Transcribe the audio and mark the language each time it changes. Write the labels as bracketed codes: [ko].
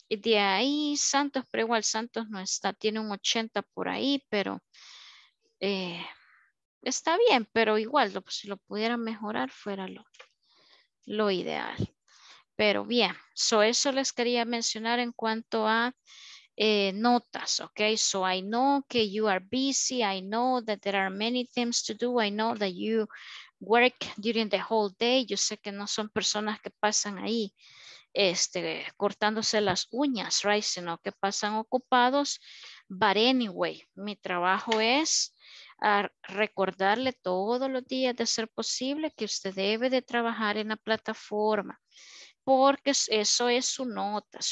[es] Y de ahí Santos, pero igual Santos no está. Tiene un 80 por ahí, pero está bien. Pero igual, si lo pudiera mejorar, fuera lo ideal. Pero bien, eso les quería mencionar en cuanto a notas, ¿ok? [en] So I know [es] que [en] you are busy. I know that there are many things to do. I know that you work during the whole day. [es] Yo sé que no son personas que pasan ahí cortándose las uñas, right, sino que pasan ocupados. [en] But anyway, [es] mi trabajo es recordarle todos los días de ser posible que usted debe de trabajar en la plataforma, porque eso es su nota.